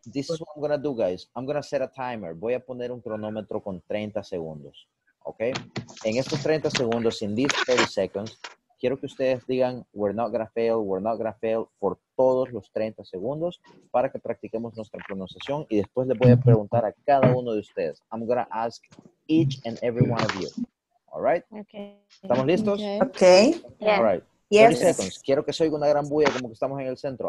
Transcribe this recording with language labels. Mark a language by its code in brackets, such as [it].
[en] This is what I'm gonna do, guys. I'm gonna set a timer. [es] Voy a poner un cronómetro con 30 segundos. [en] Okay? [es] En estos 30 segundos, [en] in these 30 seconds, [es] quiero que ustedes digan, [en] we're not gonna fail, [es] we're not gonna fail, for todos los 30 segundos, para que practiquemos nuestra pronunciación. Y después les voy a preguntar a cada uno de ustedes. [en] I'm gonna ask each and every one of you. All right? Okay. [es] ¿Estamos listos? [en] Okay. Yeah. All right. Yes. 30 seconds. [es] Quiero que se oiga una gran bulla como que estamos en el centro.